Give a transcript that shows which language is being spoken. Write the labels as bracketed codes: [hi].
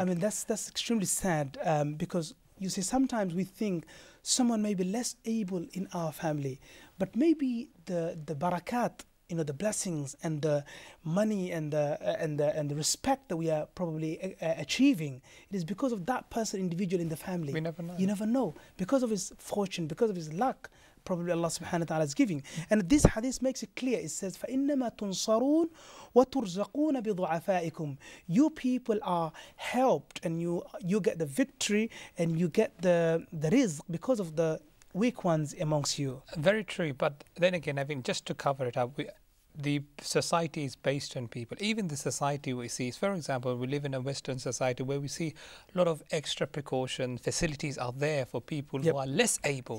[en] I mean, that's extremely sad because, you see, sometimes we think someone may be less able in our family, but maybe the barakat, you know, the blessings and the money and the respect that we are probably achieving, it is because of that person, individual in the family. We never know. You never know. Because of his fortune, because of his luck, probably Allah subhanahu wa ta'ala is giving. And this hadith makes it clear. It says, [ar] فَإِنَّمَا تُنصَرُونَ وَتُرْزَقُونَ بِضُعَفَائِكُمْ. [en] You people are helped and you get the victory and you get the rizq because of the weak ones amongst you. Very true. But then again, I mean, just to cover it up, the society is based on people. Even the society we see, for example, we live in a Western society where we see a lot of extra precaution facilities are there for people who are less able.